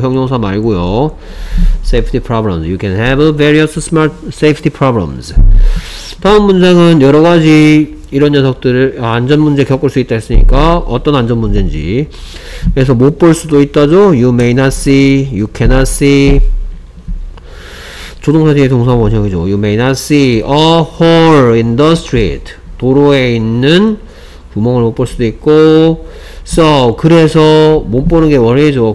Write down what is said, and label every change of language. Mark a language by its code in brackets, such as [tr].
[ko] 형용사 말고요. [en] Safety problems. You can have various smart safety problems. [ko] 다음 문장은 여러가지 이런 녀석들을 안전 문제 겪을 수 있다 했으니까 어떤 안전 문제인지. 그래서 못 볼 수도 있다죠. [en] You may not see, you cannot see. [ko] 조동사 뒤에 동사 원형이죠. [en] You may not see a hole in the street. [ko] 도로에 있는 구멍을 못 볼 수도 있고. So 그래서 못 보는 게 원인이죠.